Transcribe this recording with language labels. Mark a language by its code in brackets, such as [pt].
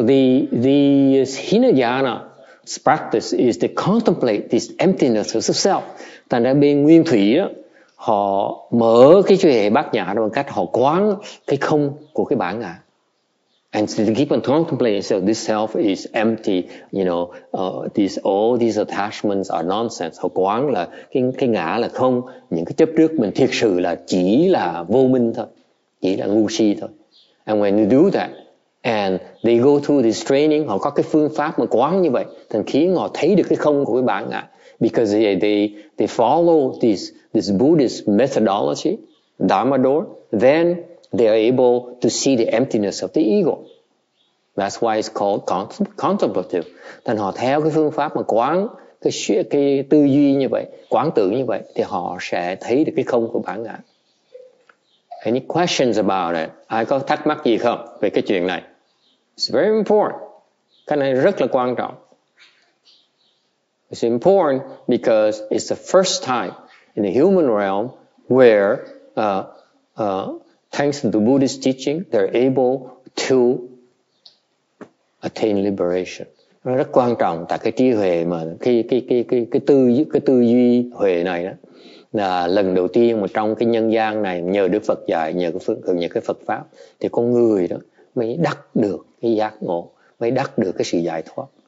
[en] So the Hinayana practice is to contemplate this emptiness of self. [vi] Thành ra bên Nguyên Thủy đó, họ mở cái chuyện bát nhã đó bằng cách họ quán cái không của cái bản ngã. [en] And to keep on contemplating, so this self is empty, you know, all these attachments are nonsense. [vi] Họ quán là cái ngã là không, những cái chấp trước mình thiệt sự là chỉ là vô minh thôi, chỉ là ngu si thôi. [en] And when you do that, and they go through this training, [vi] họ có cái phương pháp mà quán như vậy, thì khiến họ thấy được cái không của cái bản ngã. [en] Because they follow this Buddhist methodology, Dharma door, then they are able to see the emptiness of the ego. That's why it's called contemplative. [vi] Thành họ theo cái phương pháp mà quán cái tư duy như vậy, quán tưởng như vậy, thì họ sẽ thấy được cái không của bản ngã. [en] Any questions about it? [vi] Ai có thắc mắc gì không về cái chuyện này? [en] It's very important. [vi] Cái này rất là quan trọng. [en] It's important because it's the first time in the human realm where, thanks to the Buddhist teaching, they're able to attain liberation. [vi] Nó rất quan trọng tại cái trí huệ mà cái tư duy huệ này đó là lần đầu tiên mà trong cái nhân gian này nhờ Đức Phật dạy, nhờ cái Phật pháp thì con người đó mới đắc được cái giác ngộ, mới đắc được cái sự giải thoát.